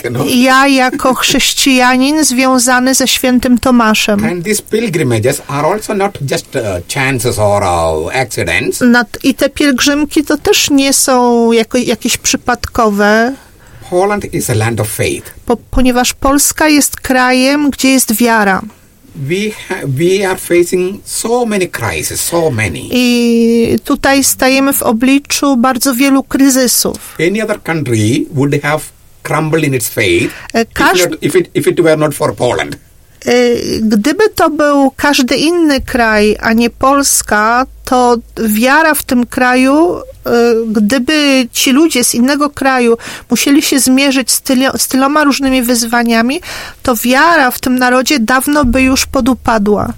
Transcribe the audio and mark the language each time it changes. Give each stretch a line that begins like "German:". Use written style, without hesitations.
Polish: Ja jako chrześcijanin związany ze świętym Tomaszem.
English: And these pilgrimages are also not just chances or accidents.
Polish: I te pielgrzymki to też nie są jakieś przypadkowe.
English: Poland is a land of faith.
Polish: Ponieważ Polska jest krajem, gdzie jest wiara.
English: We are facing so many crises, so many.
Polish: I tutaj stajemy w obliczu bardzo wielu kryzysów.
English: Any other country would have crumbled in its faith if it were not for Poland.
Polish: Gdyby to był każdy inny kraj, a nie Polska, to wiara w tym kraju, gdyby ci ludzie z innego kraju musieli się zmierzyć z tyloma różnymi wyzwaniami, to wiara w tym narodzie dawno by już podupadła.